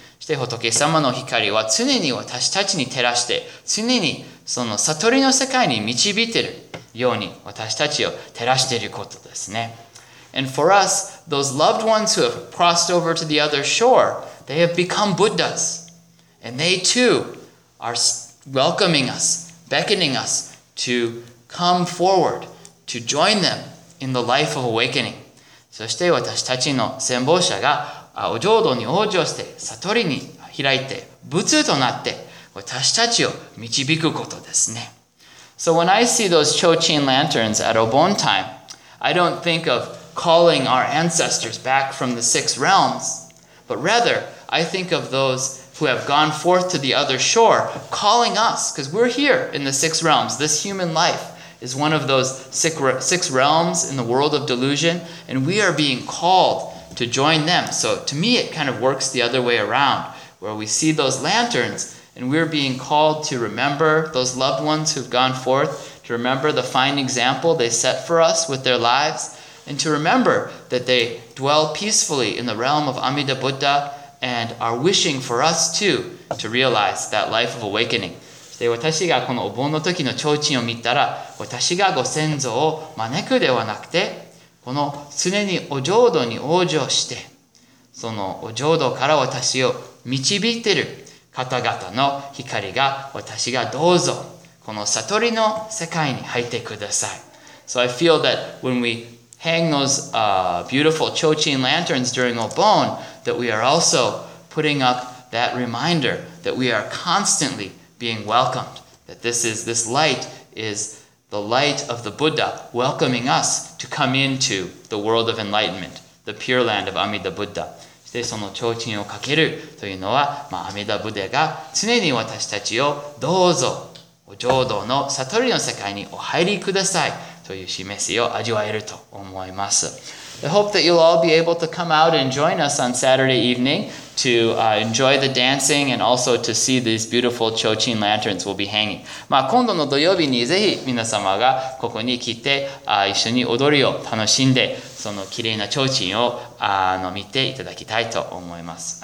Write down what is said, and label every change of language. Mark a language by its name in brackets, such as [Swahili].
[Japanese] して仏様の光は常に私たちに照らして、常にその悟りの世界に導いているように私たちを照らしていることですね。 [English] And for us, those loved ones who have crossed over to the other shore, they have become Buddhas. And they too are welcoming us, beckoning us to come forward, to join them in the life of awakening. [Japanese] そして私たちの先方者がお浄土に往生して悟りに開いて仏となって私たちを導くことですね。 [English] So when I see those Chochin lanterns at Obon time, I don't think of calling our ancestors back from the six realms, but rather I think of those who have gone forth to the other shore calling us, because we're here in the six realms, this human life. Is one of those six realms in the world of delusion, and we are being called to join them. So to me, it kind of works the other way around, where we see those lanterns, and we're being called to remember those loved ones who've gone forth, to remember the fine example they set for us with their lives, and to remember that they dwell peacefully in the realm of Amida Buddha and are wishing for us too to realize that life of awakening. [Japanese] で私がこのお盆の時の提灯を見たら私がご先祖を招くではなくてこの常にお浄土に往生してそのお浄土から私を導いている方々の光が私がどうぞこの悟りの世界に入ってください。 [English] So I feel that when we hang those beautiful 提灯 lanterns during お盆 that we are also putting up that reminder that we are constantlybeing welcomed, that this light is the light of the Buddha welcoming us to come into the world of enlightenment, the pure land of Amida Buddha. [Japanese] そしてその提灯をかけるというのは、まあ、阿弥陀仏が常に私たちをどうぞお浄土の悟りの世界にお入りくださいという示しを味わえると思います。 [English] I hope that you'll all be able to come out and join us on Saturday evening to enjoy the dancing and also to see these beautiful Chochin lanterns we'll be hanging. [Japanese] まあ今度の土曜日にぜひ皆様がここに来て一緒に踊りを楽しんでその綺麗な提灯を見ていただきたいと思います。